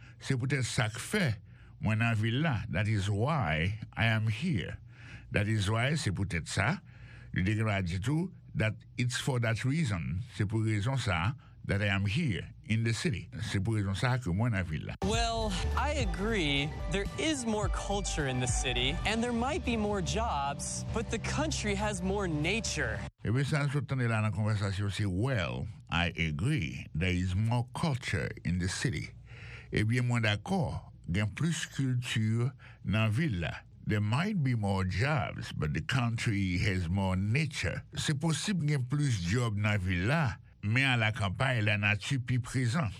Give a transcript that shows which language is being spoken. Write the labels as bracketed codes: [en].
[fr] C'est peut-être ça que fait, moi dans la ville là. [en] That is why I am here. That is why, [fr] c'est peut-être ça. Je dirais du tout, [en] that it's for that reason, [fr] c'est pour raison ça, [en] that I am here. In the city. [fr] C'est pour raison ça que moi, la ville. [en] Well, I agree. There is more culture in the city, and there might be more jobs, but the country has more nature. [fr] Et bien, ça, je tenais là dans la conversation, c'est [en] well, I agree. There is more culture in the city. [fr] Et bien, moi, d'accord. Il y a plus culture dans la ville. [en] There might be more jobs, but the country has more nature. [fr] C'est possible qu'il y a plus jobs dans la ville. Mais à la campagne, la nature plus présente.